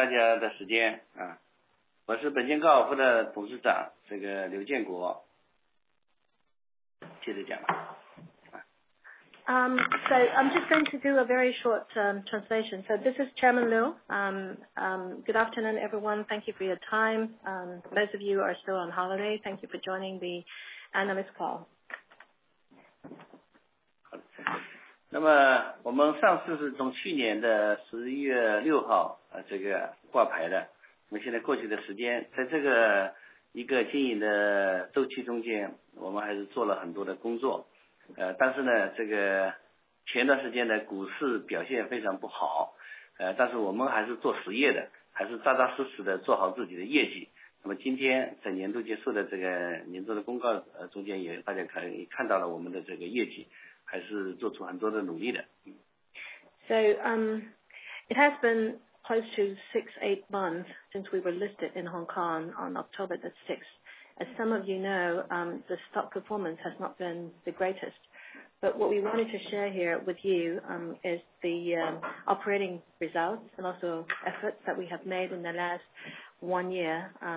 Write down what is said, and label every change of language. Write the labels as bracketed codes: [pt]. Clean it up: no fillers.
[zh] 好的，各位投资人，大家好，非常感谢大家的时间。我是本金高尔夫的董事长，这个刘建国。接着讲吧。 [en] I'm just going to do a very short translation. This is Chairman Liu. Good afternoon, everyone. Thank you for your time. Most of you are still on holiday. Thank you for joining the analyst call. [zh] 好 的， 那么我们上市是从去年的11月6号这个挂牌的，我们现在过去的时 间， 在这个一个经营的周期中 间， 我们还是做了很多的工 作， 但是 呢， 这个前段时间的股市表现非常不 好， 但是我们还是做实业 的， 还是扎扎实实地做好自己的业绩。那么今天在年度结束的这个年度的公告中间也大家可以看到了我们的这个业 绩， 还是做出很多的努力的。 [en] It has been close to six, 8 months since we were listed in Hong Kong on October the 6th. As some of you know, the stock performance has not been the greatest. What we wanted to share here with you is the operating results and also efforts that we have made in the last one year.